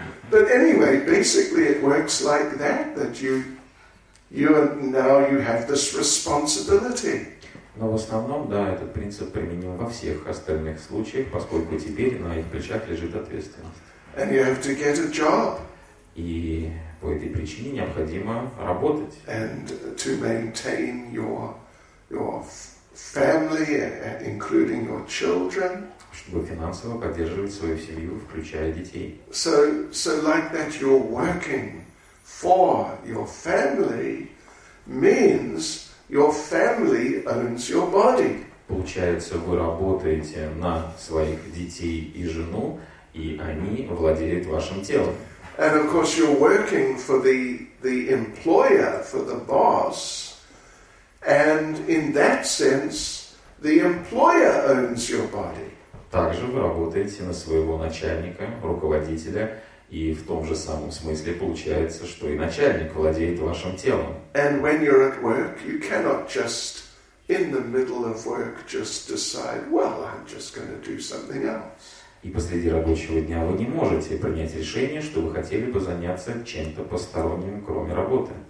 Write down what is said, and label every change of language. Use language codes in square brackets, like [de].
[en] But anyway, basically it works like that, that you now you have this responsibility. [ru] Но в основном, да, этот принцип применим во всех остальных случаях, поскольку теперь на их плечах лежит ответственность. [en] And you have to get a job. [ru] И по этой причине необходимо работать. [en] And to maintain your family, including your children. [ru] Чтобы финансово поддерживать свою семью, включая детей. [en] So like that you're working for your family means your family owns your body. [ru] Получается, вы работаете на своих детей и жену, и они владеют вашим телом. [en] And of course you're working for the employer, for the boss. And in that sense, the employer owns your body. [ru] Также вы работаете на своего начальника, руководителя, и в том же самом смысле получается, что и начальник владеет вашим телом. [en] And when you're at work, you cannot just in the middle of work just decide, well, I'm just going to do something else. [ru] И посреди рабочего дня вы не можете принять решение, что вы хотели бы заняться чем-то посторонним, кроме работы.